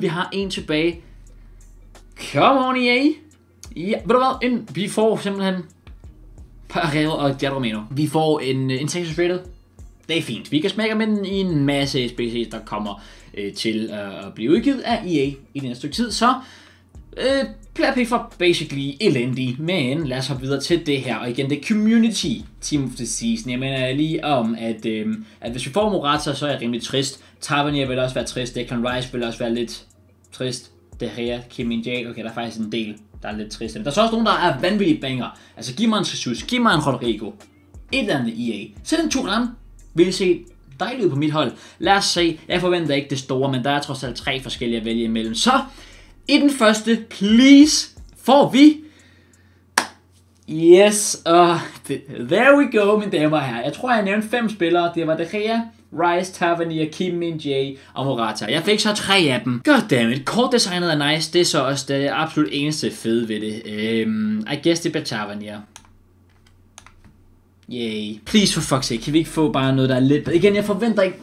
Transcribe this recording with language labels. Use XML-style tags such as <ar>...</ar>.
<da>Vi har 1 tilbage.</da> <en>Come on,</en> <da>EA. Ja, ved du hvad? Vi får simpelthen... Parejo og Jadromeno. Vi får en Texas rated. Det er fint. Vi kan smække med den i en masse SBC's, der kommer til at blive udgivet af EA i den næste tid. Så player pick for basically elendig. Men lad os hoppe videre til det her. Og igen, det er community Team of the Season. Jeg mener lige om, at hvis vi får Morata, så er jeg rimelig trist. Tavernier vil også være trist. Declan Rice vil også være lidt trist. Det her, Kim In-Jae. Okay, der er faktisk en del, der er lidt trist. Men der er så også nogen, der er vanvittige banger. Altså, giv mig en Jesus. Giv mig en Rodrigo. Et eller andet EA. Sæt en Turan. Vil se dejligt ud på mit hold. Lad os se. Jeg forventer ikke det store, men der er trods alt 3 forskellige at vælge imellem. Så i den første, please, får vi...</da> <en>Yes, there we go,</en> <da>mine damer her. Jeg tror, jeg nævnte 5 spillere. Det var De Gea, Rice, Tavernier, Kim Min-jae og Morata. Jeg fik så 3 af dem.</da> <en>Goddammit,</en> <da>kortdesignet er nice. Det er så også det absolut eneste fede ved det.</da> <en>I guess</en> <da>det bliver Tavernier. Yay. Please</da> <en>for fuck's sake,</en> <da>kan vi ikke få bare noget, der er lidt... Igen, jeg forventer ikke...</da>